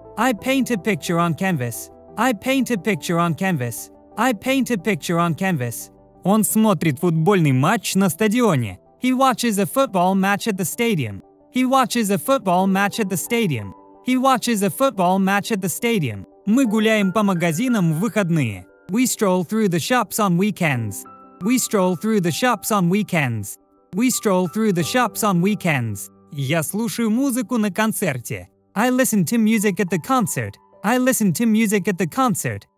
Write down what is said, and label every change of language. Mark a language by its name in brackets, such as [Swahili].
[English] I paint a picture on canvas. I paint a picture on canvas. I paint a picture on canvas. [Russian] Он смотрит футбольный матч на стадионе. [English] He watches a football match at the stadium. He watches a football match at the stadium. He watches a football match at the stadium. [Russian] Мы гуляем по магазинам в выходные. [English] We stroll through the shops on weekends. We stroll through the shops on weekends. We stroll through the shops on weekends. [Russian] Я слушаю музыку на концерте. [English] I listen to music at the concert. I listen to music at the concert.